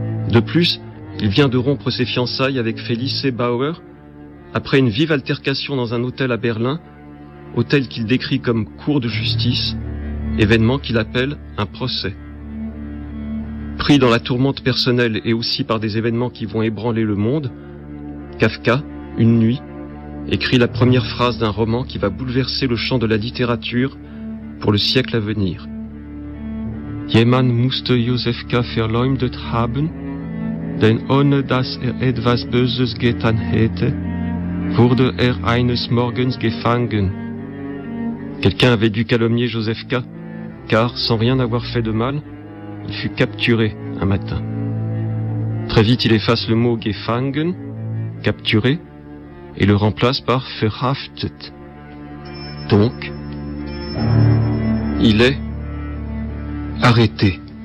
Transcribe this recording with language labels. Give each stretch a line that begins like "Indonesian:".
French: De plus, il vient de rompre ses fiançailles avec Felice Bauer après une vive altercation dans un hôtel à Berlin, hôtel qu'il décrit comme « cour de justice », événement qu'il appelle un procès. Pris dans la tourmente personnelle et aussi par des événements qui vont ébranler le monde, Kafka, une nuit, écrit la première phrase d'un roman qui va bouleverser le champ de la littérature pour le siècle à venir.
German: Jemand musste Josefka verleumdet haben, denn ohne dass etwas Böses getan hätte, wurde eines Morgens gefangen.
French: Quelqu'un avait dû calomnier Josefka, car sans rien avoir fait de mal, il fut capturé un matin. Très vite, il efface le mot gefangen, capturé, et le remplace par verhaftet. Donc, il est arrêté.